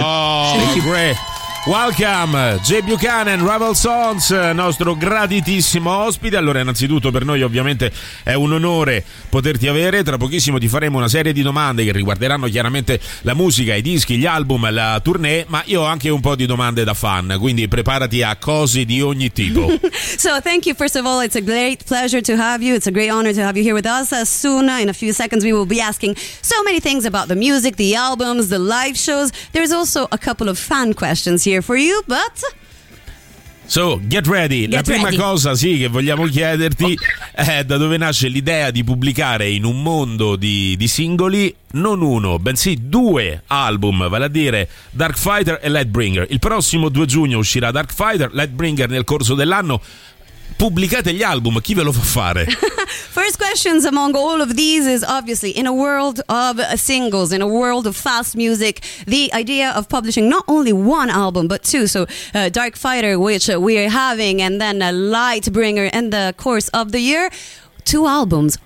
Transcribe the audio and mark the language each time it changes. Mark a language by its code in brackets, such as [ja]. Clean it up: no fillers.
[en] Thank you, great. Welcome, Jay Buchanan, Rival Sons, [it] nostro graditissimo ospite. Allora, innanzitutto per noi ovviamente è un onore poterti avere. Tra pochissimo ti faremo una serie di domande che riguarderanno chiaramente la musica, i dischi, gli album, la tournée, ma io ho anche un po' di domande da fan, quindi preparati a cose di ogni tipo. [en] So, thank you, first of all, it's a great pleasure to have you, it's a great honor to have you here with us. Soon, in a few seconds, we will be asking so many things about the music, the albums, the live shows. There's also a couple of fan questions here for you, but so get ready. [it] La prima cosa, sì, che vogliamo chiederti è da dove nasce l'idea di pubblicare in un mondo di singoli non uno, bensì due album, vale a dire Dark Fighter e Lightbringer. Il prossimo 2 giugno uscirà Dark Fighter, Lightbringer nel corso dell'anno. Pubblicate gli album, chi ve lo fa fare? [en] First questions among all of these is obviously, in a world of singles, in a world of fast music, the idea of publishing not only one album but two, so Dark Fighter, which we are having, and then Lightbringer in the course of the year, two albums.